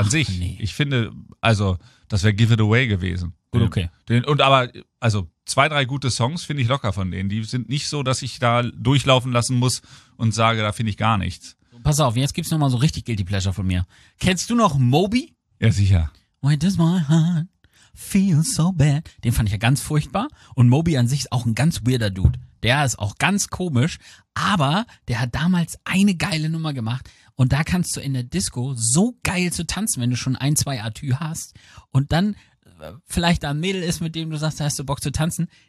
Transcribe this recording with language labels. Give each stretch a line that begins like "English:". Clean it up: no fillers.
German: an sich. Nee. Ich finde, also, das wäre Give It Away gewesen. Gut, okay. Also, zwei, drei gute Songs finde ich locker von denen. Die sind nicht so, dass ich da durchlaufen lassen muss und sage, da finde ich gar nichts. Pass auf, jetzt gibt's nochmal so richtig Guilty Pleasure von mir. Kennst du noch Moby? Ja, sicher.
English: Why does my heart feel so bad?
German: Den fand ich ja ganz furchtbar. Und Moby an sich ist auch ein ganz weirder Dude. Der ist auch ganz komisch, aber der hat damals eine geile Nummer gemacht und da kannst du in der Disco so geil zu tanzen, wenn du schon ein, zwei Atü hast und dann vielleicht da ein Mädel ist, mit dem du sagst, da hast du Bock zu tanzen.